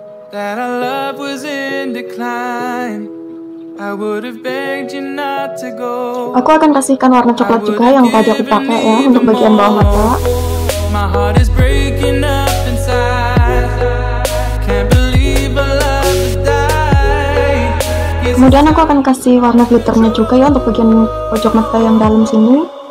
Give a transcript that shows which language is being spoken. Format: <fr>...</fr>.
<en>That our love was in decline, I would have begged you not to go.</en> <id>Aku akan kasihkan warna coklat juga yang tadi aku pakai ya untuk bagian bawah mata.</id> <en>My heart is breaking up inside. Can't believe our love has died.</en> <id>Kemudian aku akan kasih warna glitternya juga ya untuk bagian pojok mata yang dalam sini.</id>